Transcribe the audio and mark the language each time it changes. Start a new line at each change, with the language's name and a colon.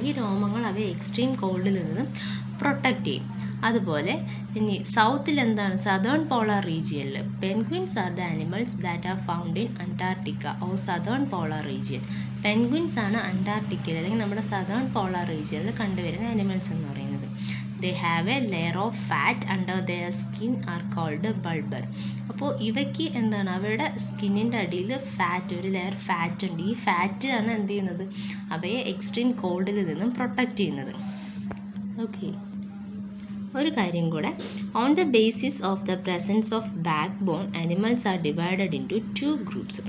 Malayalam: ഈ രോമങ്ങൾ അവയെ എക്സ്ട്രീം കോൾഡിൽ നിന്നും പ്രൊട്ടക്റ്റ് ചെയ്യും. അതുപോലെ ഇനി സൗത്തിൽ എന്താണ്, സതേൺ പോളാർ റീജിയനിൽ
English: Penguins are the animals that are found in Antarctica or southern polar region.
Malayalam: Penguins ആണ് അന്റാർട്ടിക്കയിൽ അല്ലെങ്കിൽ നമ്മുടെ സതേൺ പോളാർ റീജിയനിൽ കണ്ടുവരുന്ന അനിമൽസ് എന്ന് പറയുന്നത്.
English: They have a layer of fat under their skin are called bulbar.
Malayalam: അപ്പോൾ ഇവയ്ക്ക് എന്താണ്, അവരുടെ സ്കിന്നിൻ്റെ അടിയിൽ ഫാറ്റ്, ഒരു ലെയർ ഫാറ്റ് ഉണ്ട്. ഈ ഫാറ്റാണ് എന്ത് ചെയ്യുന്നത്, അവയെ എക്സ്ട്രീം കോൾഡിൽ നിന്നും പ്രൊട്ടക്റ്റ് ചെയ്യുന്നത്.
English: okay,
Malayalam: ഒരു കാര്യം കൂടെ,
English: On the basis of the presence of backbone animals are divided into two groups.